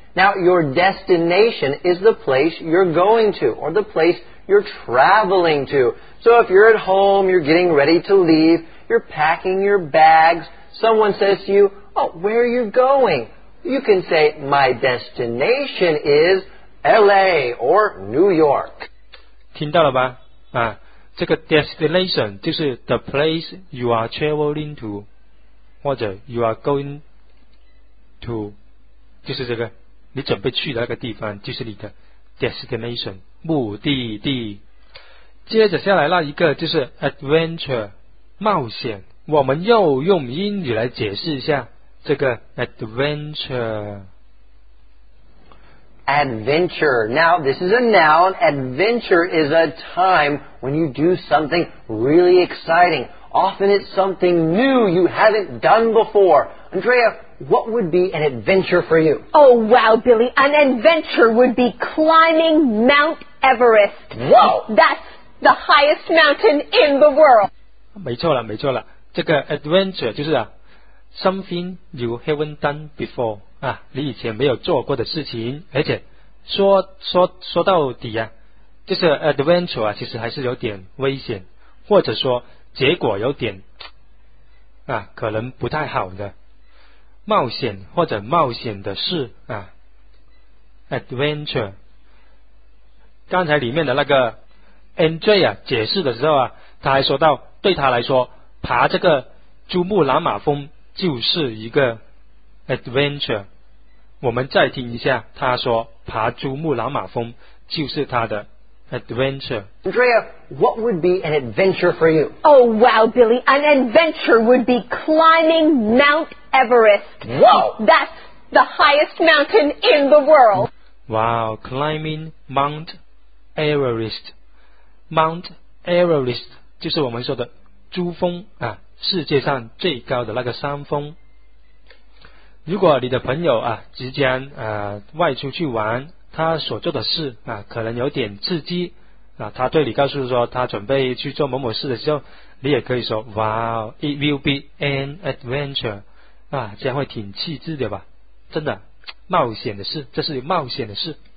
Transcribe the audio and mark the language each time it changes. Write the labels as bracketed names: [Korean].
[English] Now your destination is the place you're going to or the placeyou're traveling to. So if you're at home, you're getting ready to leave, you're packing your bags, someone says to you, oh, where are you going? You can say, my destination is LA or New York. [Chinese] 听到了吧？啊，这个 destination 就是 [English] the place you are traveling to, [Chinese] 或者 [English] you are going to, [Chinese] 就是这个，你准备去的那个地方就是你的 destination。目的地。接着下来那一个就是 adventure 冒险，我们又用英语来解释一下这个 adventure。 [English] Now this is a noun. Adventure is a time when you do something really exciting. Often it's something new you haven't done before. AndreaWhat would be an adventure for you? Oh, wow, Billy. An adventure would be climbing Mount Everest. Whoa! That's the highest mountain in the world. [Chinese] 没错了。这个 adventure 就是啊 [English] something you haven't done before. [Chinese] 啊，你以前没有做过的事情。而且说到底啊，就是 adventure 啊，其实还是有点危险。或者说结果有点啊，可能不太好的冒险或者冒险的事啊 ，adventure。刚才里面的那个 Andrea 解释的时候啊，他还说到，对他来说，爬这个珠穆朗玛峰就是一个 adventure。我们再听一下，他说爬珠穆朗玛峰就是他的 adventure。 [English] Andrea, what would be an adventure for you? Oh, wow, Billy, an adventure would be climbing Mount Everest. Whoa! That's the highest mountain in the world. Wow, climbing Mount Everest. [Chinese] Mount Everest 就是我们说的珠峰啊，世界上最高的那个山峰。如果你的朋友啊即将外出去玩，他所做的事啊可能有点刺激啊，他对你告诉说他准备去做某某事的时候，你也可以说 [English] Wow, it will be an adventure [Chinese] 啊，将会挺刺激的吧，真的冒险的事，这是冒险的事。